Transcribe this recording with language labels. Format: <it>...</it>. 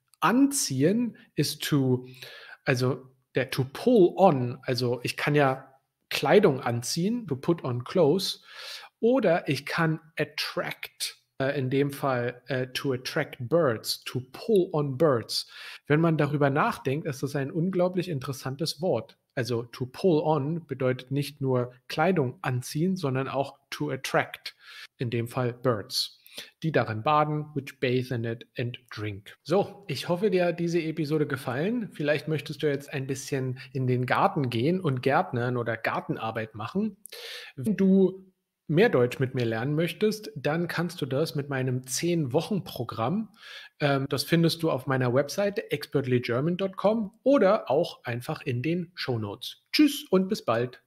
<de>Anziehen ist</de> <en>to pull on,</en> <de>also ich kann ja Kleidung anziehen,</de> <en>to put on clothes,</en> <de>oder ich kann</de> <en>attract,</en> <de>in dem Fall</de> <en>to attract birds, to pull on birds.</en> <de>Wenn man darüber nachdenkt, ist das ein unglaublich interessantes Wort. Also</de> <en>to pull on</en> <de>bedeutet nicht nur Kleidung anziehen, sondern auch</de> <en>to attract,</en> <de>in dem Fall birds. Die darin baden,</de> <en>which bathe in it and drink.</en> <de>So, ich hoffe, dir hat diese Episode gefallen. Vielleicht möchtest du jetzt ein bisschen in den Garten gehen und gärtnern oder Gartenarbeit machen. Wenn du mehr Deutsch mit mir lernen möchtest, dann kannst du das mit meinem 10-Wochen-Programm. Das findest du auf meiner Webseite expertlygerman.com oder auch einfach in den Shownotes. Tschüss und bis bald.</de>